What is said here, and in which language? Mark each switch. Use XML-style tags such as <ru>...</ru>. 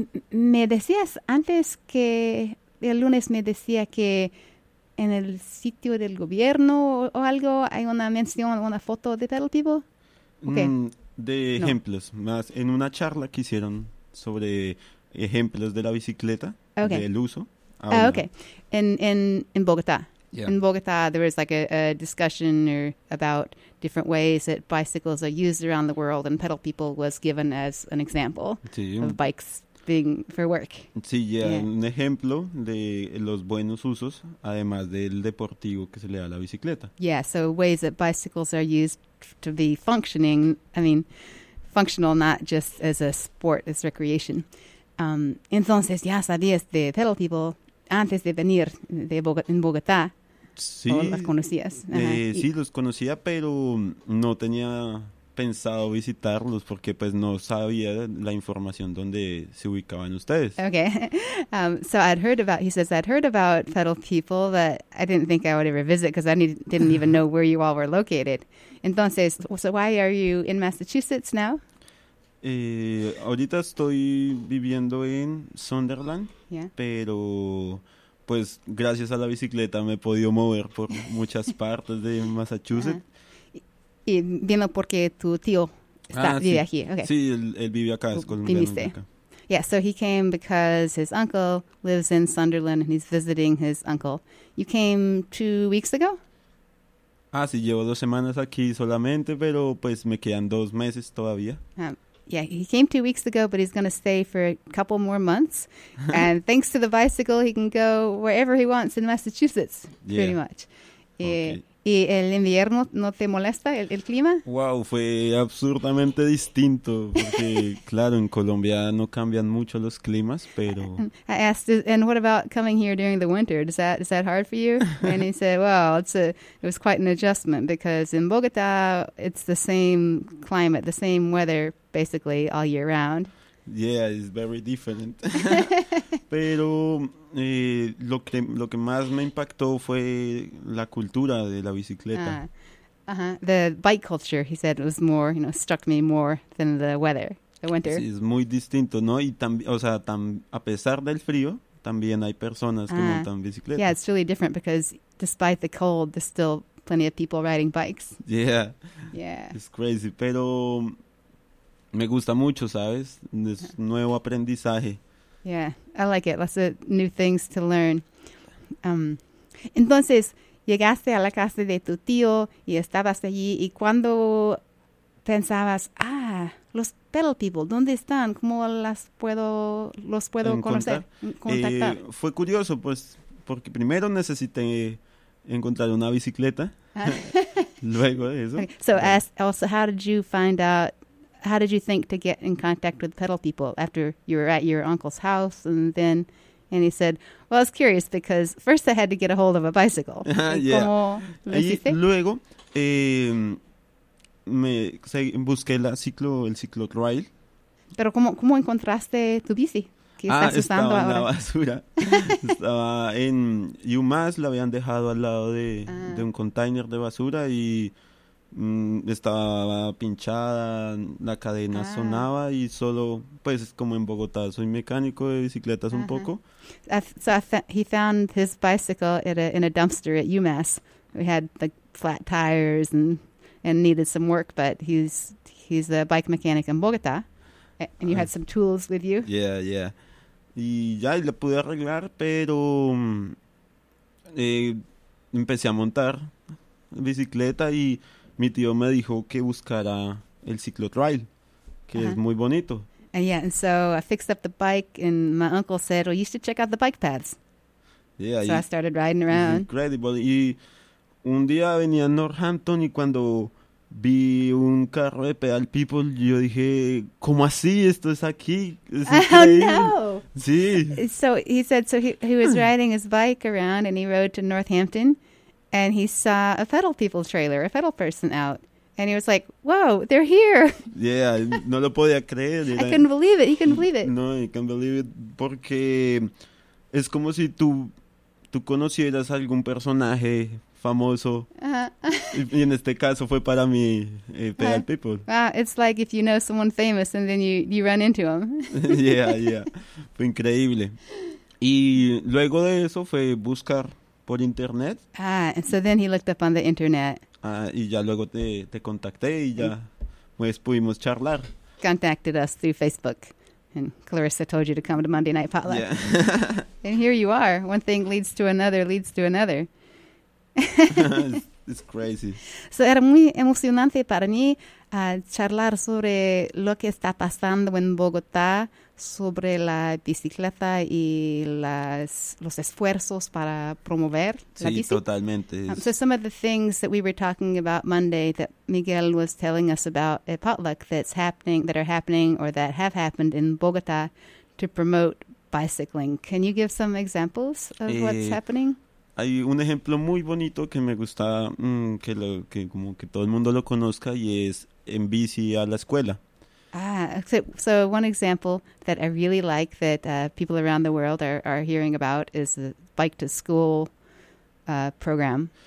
<es>Me decías antes que el lunes me decía que en el sitio del gobierno o algo hay una mención, una foto de pedal people. Okay. De ejemplos, no. Más en una charla que hicieron sobre ejemplos de la bicicleta,</es> <en>okay.</en> <es>Del uso.</es> <en>Okay, in Bogotá. Yeah. In Bogotá, there was like a discussion about different ways that bicycles are used around the world, and pedal people was given as an example,</en> <es>sí.</es> <en>Of bikes being for work.</en> <es>Sí, ya, yeah. Un ejemplo de los buenos usos, además del deportivo que se le da a la bicicleta.</es> <en>Yeah, so ways that bicycles are used to be functioning, I mean, functional, not just as a sport, as recreation.</en> <es>Entonces, ya sabías de pedal people antes de venir de Bogotá. Sí. ¿O las conocías? Sí, los conocía, pero no tenía pensado visitarlos porque pues no sabía la información donde se ubicaban ustedes.</es> <en>Okay. I'd heard about pedal people, but I didn't think I would ever visit because I didn't even know where you all were located. Entonces, so why are you in Massachusetts now?</en> <es>Ahorita estoy viviendo en Sunderland,</es> <en>yeah.</en> <es>Pero pues gracias a la bicicleta me he podido mover por muchas partes de Massachusetts. Y viendo porque tu tío vive aquí.</es> <en>Okay.</en> <es>Sí, él vive acá, es colombiano. Acá.</es> <en>Yeah, so he came because his uncle lives in Sunderland and he's visiting his uncle. You came 2 weeks ago?</en> <es>Ah, sí, llevo 2 semanas aquí solamente, pero pues me quedan 2 meses todavía.</es> <en>Yeah, he came 2 weeks ago, but he's going to stay for a couple more months. And thanks to the bicycle, he can go wherever he wants in Massachusetts, yeah. Pretty much. Okay.</en> <es>¿Y el invierno no te molesta, el clima? Wow, fue absurdamente distinto, porque claro, en Colombia no cambian mucho los climas, pero...</es> <en>I asked, and what about coming here during the winter? Is that hard for you? And he said, well, it was quite an adjustment, because in Bogotá, it's the same climate, the same weather, basically, all year round. Yeah, it's very different.</en> <es>Pero lo que más me impactó fue la cultura de la bicicleta.</es> <en>The bike culture, he said, was more, you know, struck me more than the weather, the winter.</en> <es>Sí, es muy distinto, ¿no? Y a pesar del frío, también hay personas que montan bicicleta.</es> <en>Yeah, it's really different because despite the cold, there's still plenty of people riding bikes. Yeah. Yeah. It's crazy,</en> <es>pero... Me gusta mucho, ¿sabes? Es nuevo aprendizaje.</es> <en>Yeah, I like it. Lots of new things to learn.</en> <es>Entonces, llegaste a la casa de tu tío y estabas allí. ¿Y cuando pensabas, los pedal people, dónde están? ¿Cómo los puedo conocer? Fue curioso, pues, porque primero necesité encontrar una bicicleta. Luego de eso.</es> <en>Okay. So, how did you find out how did you think to get in contact with pedal people after you were at your uncle's house? And then, and he said, well, I was curious because first I had to get a hold of a bicycle.</en> <es>Y luego busqué el ciclo trail. Pero ¿cómo encontraste tu bici? Estaba en la basura. Estaba en UMass, la habían dejado al lado de un container de basura y estaba pinchada, la cadena sonaba y solo, pues como en Bogotá, soy mecánico de bicicletas un poco.</es> <en>He found his bicycle in a dumpster at UMass. We had the flat tires and needed some work, but he's a bike mechanic in Bogotá. And you had some tools with you. Yeah.</en> <es>Y ya la pude arreglar, pero empecé a montar bicicleta y mi tío me dijo que buscara el ciclo trail, que es muy bonito.</es> <en>And so I fixed up the bike and my uncle said, well, you should check out the bike paths. Yeah, so I started riding around. Incredible.</en> <es>Y un día venía a Northampton y cuando vi un carro de Pedal People, yo dije, ¿cómo así? Esto es aquí. ¿Es increíble? No. Sí.</es> <en>So he said, so he was riding his bike around and he rode to Northampton and he saw a Pedal People trailer, a Pedal person out. And he was like, whoa, they're here.</en> <es>Yeah, no lo podía creer.</es> <en>I couldn't believe it. You couldn't believe it. No, I can't believe it.</en> <es>Porque es como si tú conocieras a algún personaje famoso. Y en este caso fue para mí Pedal People.</es> <en>Wow, it's like if you know someone famous and then you run into them.</en> <es>yeah. Fue increíble. Y luego de eso fue buscar por internet.</es> <en>And so then he looked up on the internet.</en> <es>Y ya luego te contacté y ya pues pudimos charlar.</es> <en>Contacted us through Facebook. And Clarissa told you to come to Monday Night Potluck. Yeah. And here you are. One thing leads to another, leads to another. It's crazy.</en> <es>So era muy emocionante para mí charlar sobre lo que está pasando en Bogotá sobre la bicicleta y los esfuerzos para promover la bici. Sí, totalmente.</es> <en>So some of the things that we were talking about Monday that Miguel was telling us about a potluck that are happening or that have happened in Bogotá to promote bicycling. Can you give some examples of what's happening?</en> <es>Hay un ejemplo muy bonito que me gusta que todo el mundo lo conozca y es en bici a la escuela.</es> <en>So one example that I really like that people around the world are hearing about is the bike to school program.</en>